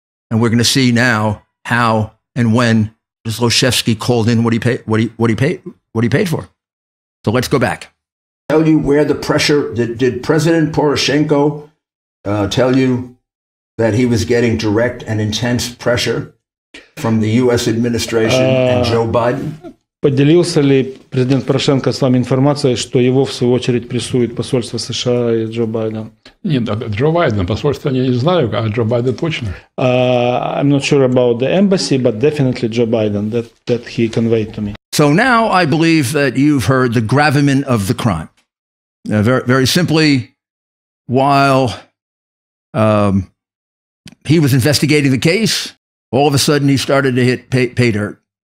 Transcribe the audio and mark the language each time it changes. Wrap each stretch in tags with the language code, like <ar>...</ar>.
<en>And we're going to see now how and when Zloshevsky called in what he paid for. So let's go back. Tell you where the pressure, did President Poroshenko tell you that he was getting direct and intense pressure from the U.S. administration and Joe Biden?</en> <ru>Поделился ли президент Порошенко с вами информацией, что его, в свою очередь, прессует посольство США и Джо Байден? Нет, Джо Байден, посольство я не знаю, а Джо Байден точно.</ru> <en>I'm not sure about the embassy, but definitely Joe Biden, that he conveyed to me. So now I believe that you've heard the gravamen of the crime. Very simply, while he was investigating the case, all of a sudden he started to hit pay dirt.</en>